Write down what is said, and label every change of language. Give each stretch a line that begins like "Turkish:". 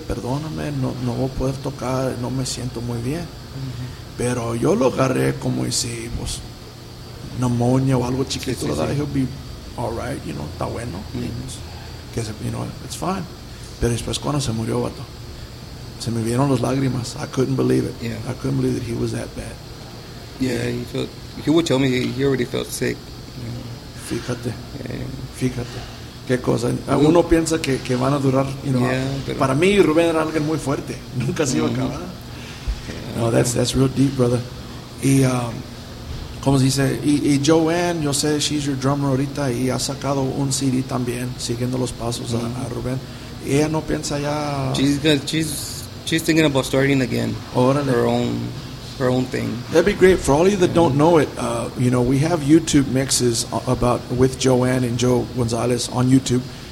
Spanish: Perdóname, no voy a poder tocar, no me siento muy bien. Mm-hmm. Pero yo lo agarré como si, pues, neumonía o algo chiquito, sí, sí, sí.
English: All right, you know,
Spanish: está bueno.
English: Mm-hmm. Que se, you know, it's fine.
Spanish: Pero después cuando se murió, vato, se me vieron las lágrimas.
English: I couldn't believe it. Yeah. I couldn't believe that he was that bad. Yeah, he would tell me he already felt sick.
Spanish: Fíjate. Yeah. Fíjate. Qué cosa. Uno piensa que van a durar, you know.
English: Yeah,
Spanish: para mí, Rubén era alguien muy fuerte. Nunca se iba a acabar.
English: Yeah, no, that's real deep, brother.
Spanish: Como se dice, y Joanne, yo sé,
English: she's your drummer
Spanish: ahorita, y ha sacado un CD también, siguiendo los pasos a Rubén. Y ella no piensa ya...
English: She's thinking about starting again. Órale. Her own thing. That'd be great. For all of you that don't know it, you know, we have YouTube mixes about with Joanne and Joe Gonzales on YouTube.